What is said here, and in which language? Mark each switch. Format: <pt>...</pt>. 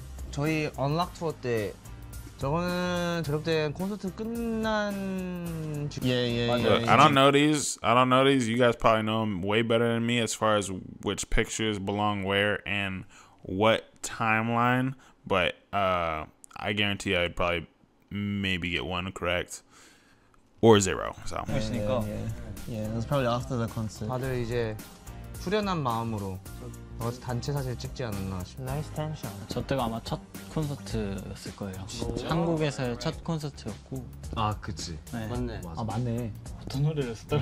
<ko>저희 언락투어 때 저거는 졸업된 콘서트 끝난</ko> <en>Yeah. I don't know these. You guys probably know them way better than me as far as which pictures belong where and what timeline, but I guarantee I'd probably maybe get one correct. Or zero. So. Yeah, that's probably after the concert.</en> <ko>다들 이제 후련한 마음으로 어서 단체 사진 찍지 않았나 싶어요.</ko> <en>Nice tension.</en> <ko>저 때가 아마 첫 콘서트였을 거예요. 진짜? 한국에서의 첫 콘서트였고. 아, 그치. 네. 맞네. 아, 맞네. 어떤 노래를 썼더라?</ko>